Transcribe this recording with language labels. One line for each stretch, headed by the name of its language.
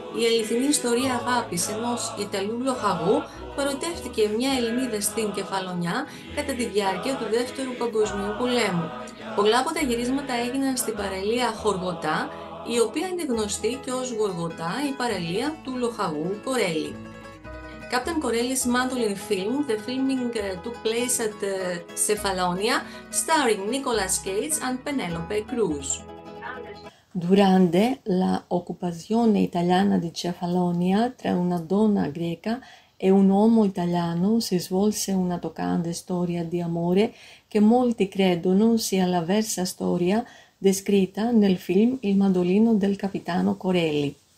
Greek: Η αληθινή ιστορία αγάπης ενός Ιταλού λοχαγού παρωτεύτηκε μια Ελληνίδα στην Κεφαλονιά κατά τη διάρκεια του Δεύτερου Παγκοσμίου Πολέμου. Πολλά από τα γυρίσματα έγιναν στην παραλία Χοργοτά, η οποία είναι γνωστή και ως Γοργοτά, η παραλία του Λοχαγού Κορέλη.
English: Captain Corelli's Mandolin Film, the filming took place at Cefalonia, starring Nicolas Cage and Penelope Cruz.
Italian: Durante la occupazione italiana di Cefalonia tra una donna greca e un uomo italiano si svolse una toccante storia di amore che molti credono sia la versa storia descritta nel film Il Mandolino del Capitano Corelli.